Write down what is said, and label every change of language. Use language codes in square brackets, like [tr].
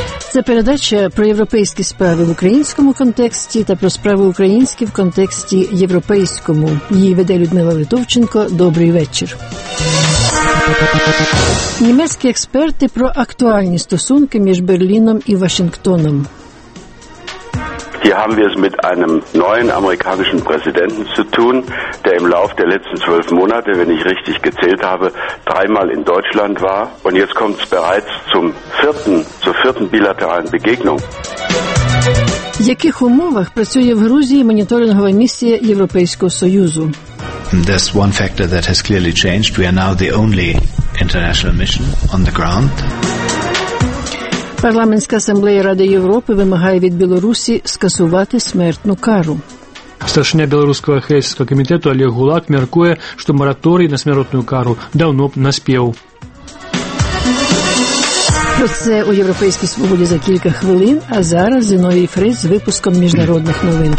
[uk] Це передача про європейські справи в українському контексті та про справи українські в контексті європейському. Її веде Людмила Литовченко. Добрий вечір. Німецькі експерти про актуальні стосунки між Берліном і Вашингтоном. [de] Hier haben wir es mit einem neuen amerikanischen Präsidenten zu tun, der im Lauf der letzten 12 Monate, wenn ich richtig gezählt habe, 3-mal in Deutschland war. Und jetzt kommt es bereits zur vierten bilateralen Begegnung. [uk] В яких умовах працює в Грузії моніторингова місія Європейського Союзу? [en] There's one factor that has clearly changed. We are now the only international mission on the ground. [uk] Парламентська асамблея Ради Європи вимагає від Білорусі скасувати смертну кару. Старшина Білоруського Хельсінського комітету Олег Гулак міркує, що мораторій на смертну кару давно б наспів. Про це у Європейській свободі за кілька хвилин, а зараз Зіновій Фріц з випуском міжнародних новин.